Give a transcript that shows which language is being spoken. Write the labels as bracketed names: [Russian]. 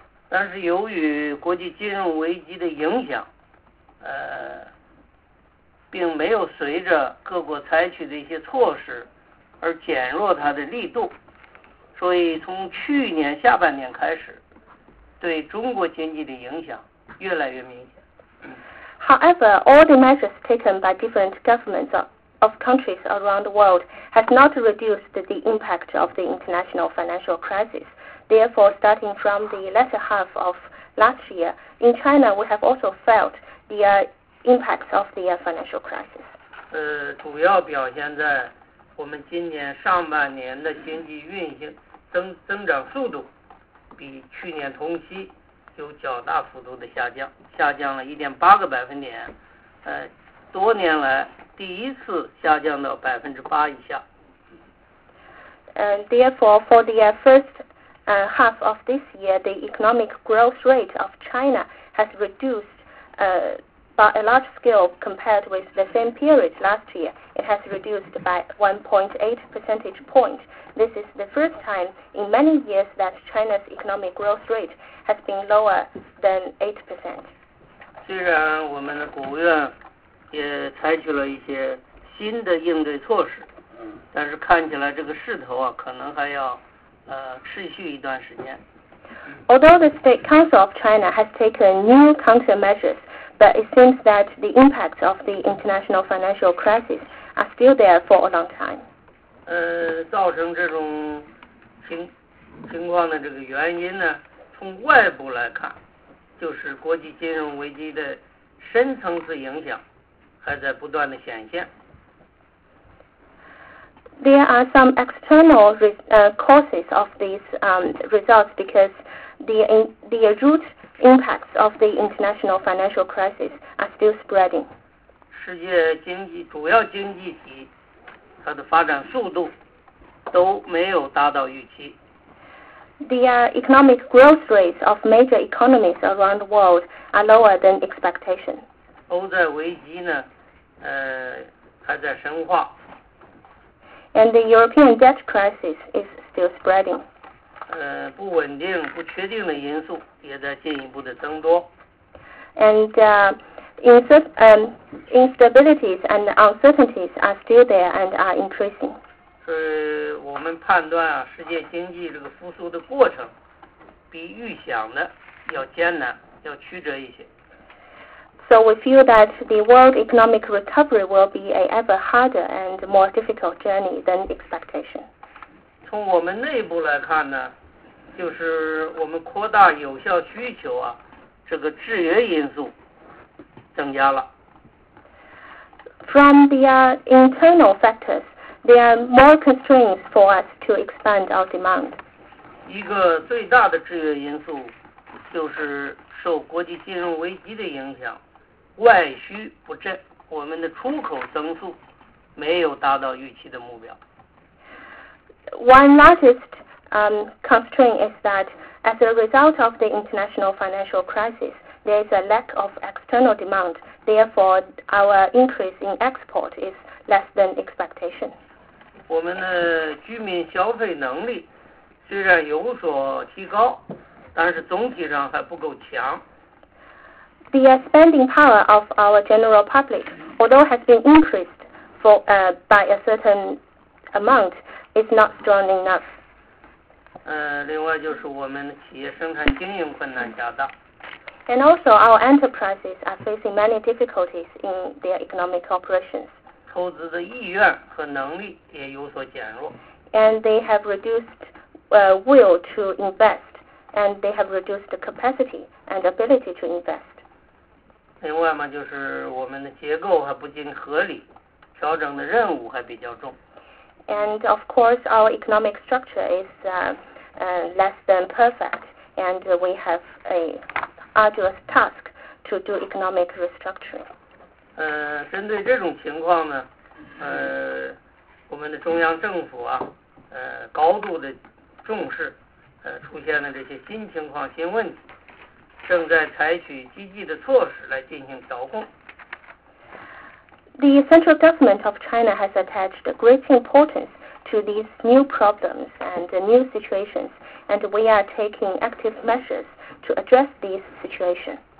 [Chinese] 但是由于国际金融危机的影响，并没有随着各国采取的一些措施而减弱它的力度，所以从去年下半年开始对中国经济的影响越来越明显。 [English] However, all the measures taken by different governments of countries around the world has not reduced the impact of the international financial crisis. Therefore, starting from the latter half of last year, in China, we have also felt the impacts of the financial crisis. [Chinese] 主要表现在我们今年上半年的经济运行增长速度比去年同期有较大幅度的下降了1.8%，多年来第一次下降到8%以下。 [English] Therefore, for the first half of this year, the economic growth rate of China has reduced by a large scale compared with the same period last year. It has reduced by 1.8 percentage point. This is the first time in many years that China's economic growth rate has been lower than 8%. [Chinese] 虽然我们的国务院也采取了一些新的应对措施，但是看起来这个势头啊，可能还要持续一段时间。 [English] Although the State Council of China has taken new countermeasures, but it seems that the impacts of the international financial crisis are still there for a long time. [Chinese] 造成这种情况的这个原因呢，从外部来看，就是国际金融危机的深层次影响还在不断的显现。 [English] There are some external causes of these results because the root impacts of the international financial crisis are still spreading. [Chinese] 世界经济主要经济体它的发展速度都没有达到预期。 [English] The economic growth rates of major economies around the world are lower than expectation. [Chinese] 欧债危机呢，还在深化。 [English] And the European debt crisis is still spreading. [Chinese] 不稳定、不确定的因素也在进一步的增多。 [English] And instabilities and uncertainties are still there and are increasing. [Chinese] 我们判断啊，世界经济这个复苏的过程比预想的要艰难，要曲折一些。 [English] So we feel that the world economic recovery will be an ever harder and more difficult journey than expectation. [Chinese] 从我们内部来看呢，就是我们扩大有效需求啊，这个制约因素增加了。 [English] From the internal factors, there are more constraints for us to expand our demand. [Chinese] 一个最大的制约因素就是受国际金融危机的影响，外需不振，我们的出口增速没有达到预期的目标。 [English] One largest constraint is that as a result of the international financial crisis, there is a lack of external demand. Therefore, our increase in export is less than expectation. [Chinese] 我们的居民消费能力虽然有所提高，但是总体上还不够强。 [English] The spending power of our general public, although has been increased for, by a certain amount, is not strong enough. [Chinese] 另外就是我们企业生产经营困难加大。 [English] And also our enterprises are facing many difficulties in their economic operations. [Chinese] 投资的意愿和能力也有所减弱。 [English] And they have reduced will to invest, and they have reduced the capacity and ability to invest. [Chinese] 另外嘛，就是我们的结构还不尽合理，调整的任务还比较重。 [English] And of course, our economic structure is less than perfect, and we have an arduous task to do economic restructuring. [Chinese] 针对这种情况呢，我们的中央政府啊，高度的重视，出现了这些新情况、新问题。正在采取积极的措施来进行调控。 [English] The central government of China has attached great importance to these new problems and new situations, and we are taking active measures to address these situations.